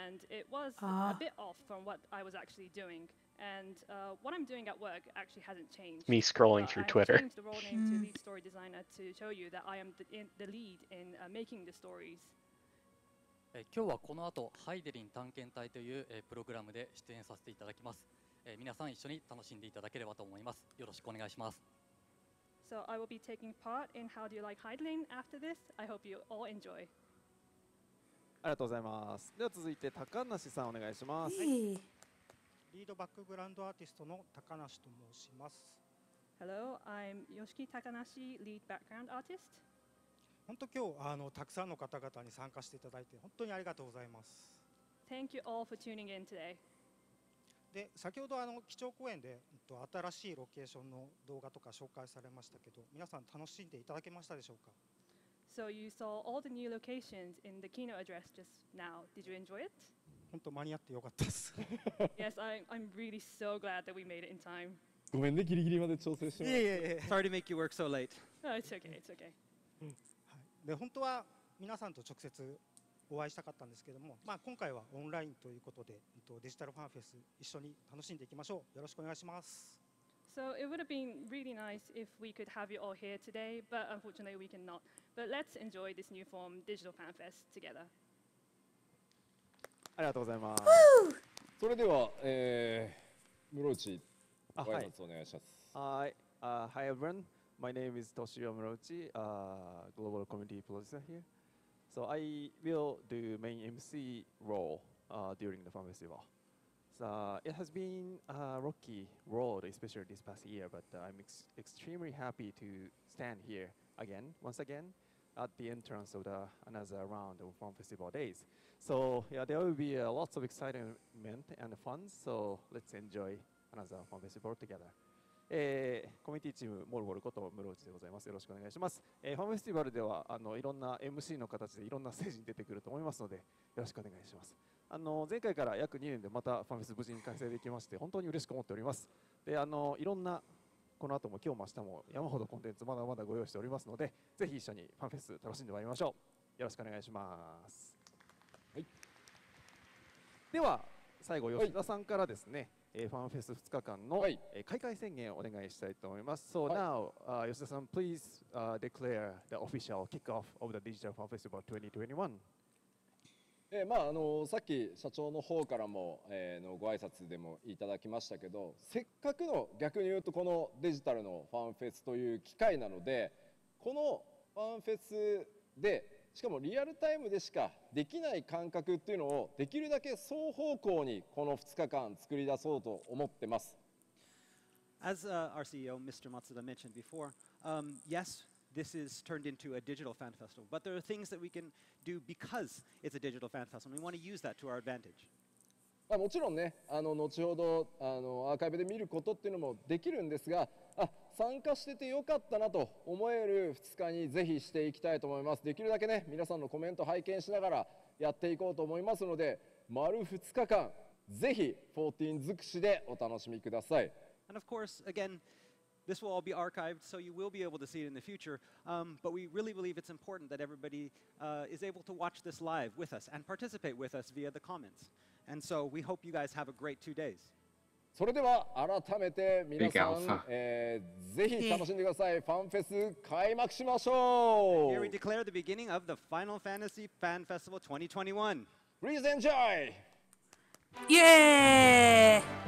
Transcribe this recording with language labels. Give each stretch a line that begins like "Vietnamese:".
English: And it was a bit off from what I was actually doing. And what I'm doing at work actually hasn't changed. Me scrolling through Twitter. I changed the role name to lead story designer to show you that I am the lead in making the stories.
Japanese: 今日はこの後ハイデリン探検隊というプログラムで出演させていただきます。皆さん一緒に楽しんでいただければと思います。よろしくお願いします。
English: So I will be taking part in How Do You Like Heidelin after this. I hope you all enjoy.
Japanese: ありがとうございます。では続いて高梨さんお願いします。リードバックグラウンドアーティストの高梨と申します。
English: Hello, I'm Yoshiki Takanashi, lead background artist.
Japanese: 本当今日たくさんの方々に参加していただいて本当にありがとうございます。
English: Thank you all for tuning in today.
Japanese: で先ほど基調講演で新しいロケーションの動画とか紹介されましたけど、皆さん楽しんでいただけましたでしょうか。
English: So you saw all the new locations in the keynote address just now. Did you enjoy it?
Japanese: 本当間に合ってよかったです
English: Yes, I'm really so glad that we made it in time.
Japanese: ごめんね、ギリギリまで調整してます。
English: Yeah. Sorry to make you work so late. Oh, it's okay, it's okay.
Japanese: で本当は皆さんと直接お会いしたかったんですけども、まあ、今回はオンラインということでデジタルファンフェス一緒に楽しんでいきましょう。よろしくお願いします。
English: So it would have been really nice if we could have you all here today, but unfortunately we cannot. But let's enjoy this new form digital fan fest together.
Japanese: ありがとうございます。それでは、室内ご挨拶お願いします。
English: Hi everyone. My name is Toshio Muruchi, Global Community Producer here. So I will do main MC role during the Fan Festival. So it has been a rocky road, especially this past year, but I'm extremely happy to stand here again, once again, at the entrance of the another round of Fan Festival days. So yeah, there will be lots of excitement and fun, so let's enjoy another Fan Festival together.
Japanese: コミュニティチームモルボルこと室内でございます。よろしくお願いします。ファンフェスティバルではいろんな MC の形でいろんなステージに出てくると思いますのでよろしくお願いします。前回から約2年でまたファンフェス無事に開催できまして本当に嬉しく思っております。でいろんなこの後も今日も明日も山ほどコンテンツまだまだご用意しておりますのでぜひ一緒にファンフェス楽しんでまいりましょう。よろしくお願いします。はい、では最後吉田さんからですね、はい、FanFest 2日間の開会宣言をお願いしたいと思います。
English: So now, Yoshida-san, please declare the official kickoff of the Digital Fan Festival 2021.
Japanese: まあ、さっき社長の方からも、のご挨拶でもいただきましたけど、せっかくの逆に言うとこのデジタルのファンフェスという機会なので、このファンフェスでしかもリアルタイムでしかできない感覚っていうのをできるだけ双方向にこの2日間作り出そうと思ってます。
English: As our CEO Mr. Matsuda mentioned before, yesThis is turned into a digital fan festival, but there are things that we can do because it's a digital fan festival, and we want to use that to our advantage.
Japanese: まあもちろんね、後ほどアーカイブで見ることっていうのもできるんですが、参加しててよかったなと思える2日にぜひしていきたいと思います。できるだけね、皆さんのコメント拝見しながらやっていこうと思いますので、丸2日間ぜひ14尽くしでお楽しみください。
English: And of course, again,This will all be archived, so you will be able to see it in the future. But we really believe it's important that everybody is able to watch this live with us and participate with us via the comments. And so we hope you guys have a great 2 days.
Japanese: それでは改めて皆さん、ぜひ楽しんでください。ファンフェス開幕しましょう。
English: Here we declare the beginning of the Final Fantasy Fan Festival 2021. Please enjoy! Yay!